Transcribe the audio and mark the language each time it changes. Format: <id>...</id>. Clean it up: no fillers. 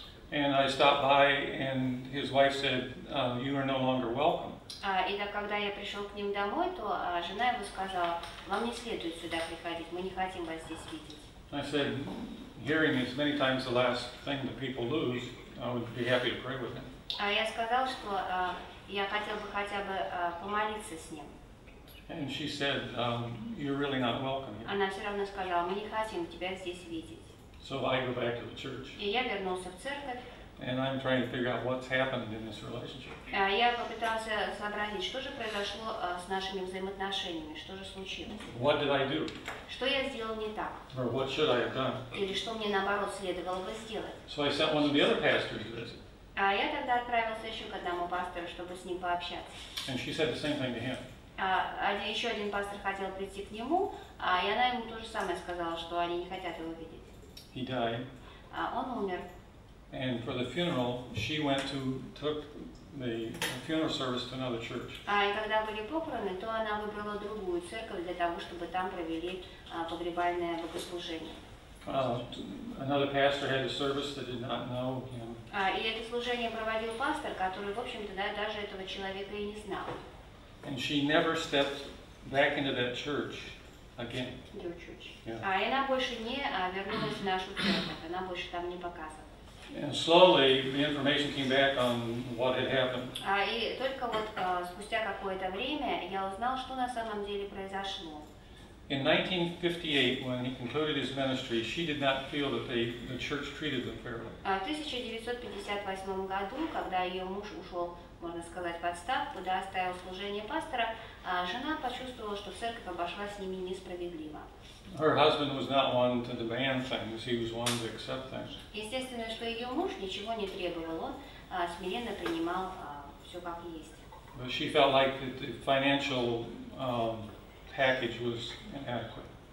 <en>And I stopped by, and his wife said, "You are no longer welcome."</en> <ru>И так когда я пришел к ним домой, то жена его сказала: "Вам не следует сюда приходить. Мы не хотим вас здесь видеть."</ru> <en>I said, "Hearing is many times the last thing that people lose. I would be happy to pray with him."</en> <ru>Я сказал, что я хотел бы хотя бы помолиться с ним.</ru> <en>And she said, "You're really not welcome here."</en> <ru>Она все равно сказала: "Мы не хотим тебя здесь видеть."</ru> <en>So I go back to the church.</en> <ru>И я вернулся в церковь.</ru> <en>And I'm trying to figure out what's happened in this relationship.</en> <ru>Я попытался сообразить, что же произошло с нашими взаимоотношениями, что же случилось.</ru> <en>What did I do?</en> <ru>Что я сделал не так?</ru> <en>Or what should I have done?</en> <ru>Или что мне наоборот следовало бы сделать?</ru> <en>So I sent one of the other pastors to visit.</en> <ru>Я тогда отправился еще к одному пастору, чтобы с ним пообщаться.</ru> <en>And she said the same thing to him.</en> <ru>Еще один пастор хотел прийти к нему, и она ему то же самое сказала, что они не хотят его видеть.</ru> <en>He died.</en> <ru>Он умер.</ru> <en>And for the funeral, she went to took the funeral service to another church.</en> <ru>И когда были похороны, то она выбрала другую церковь для того, чтобы там провели погребальное богослужение.</ru> <en>Another pastor had a service that did not know him.</en> <ru>И это служение проводил пастор, который, в общем-то, даже этого человека и не знал.</ru> <en>And she never stepped back into that church again. Yeah.</en> <ru>Она больше не вернулась в нашу церковь. Она больше там не показывала.</ru> <en>And slowly, the information came back on what had happened.</en> <ru>И только вот спустя какое-то время я узнал, что на самом деле произошло.</ru> <en>In 1958, when he concluded his ministry, she did not feel that the church treated them fairly.</en> <ru>В 1958 году, когда ее муж ушел, можно сказать, в отставку, да, оставил служение пастора, жена почувствовала, что церковь обошлась с ними несправедливо.</ru> <en>Her husband was not one to demand things. He was one to accept things.</en> <ru>Естественно, что ее муж ничего не требовал, он смиренно принимал все как есть.</ru> <en>But she felt like that the financial package was inadequate.</en>